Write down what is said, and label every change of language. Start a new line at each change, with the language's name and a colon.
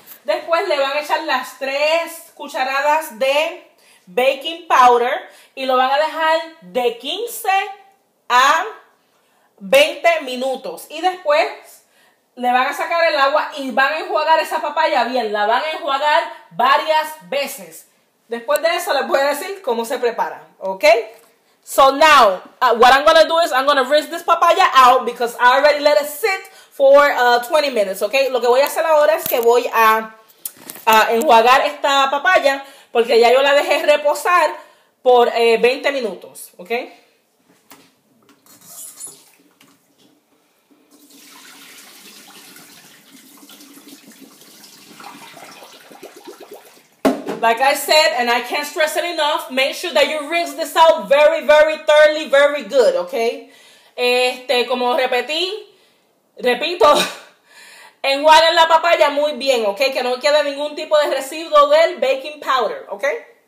Spanish: Después le van a echar las 3 cucharadas de baking powder y lo van a dejar de 15 a 20 minutos. Y después le van a sacar el agua y van a enjuagar esa papaya bien. La van a enjuagar varias veces. Después de eso les voy a decir cómo se prepara, ¿ok?
English: So now, what I'm going to do is I'm going to rinse this papaya out because I already let it sit for 20 minutes, okay?
Spanish: Lo que voy a hacer ahora es que voy a enjuagar esta papaya porque ya yo la dejé reposar por 20 minutos, okay?
English: Like I said, and I can't stress it enough, make sure that you rinse this out very, very thoroughly, very good, okay?
Spanish: Como repito, enjuaguen la papaya muy bien, okay? Que no quede ningún tipo de residuo del baking powder, okay?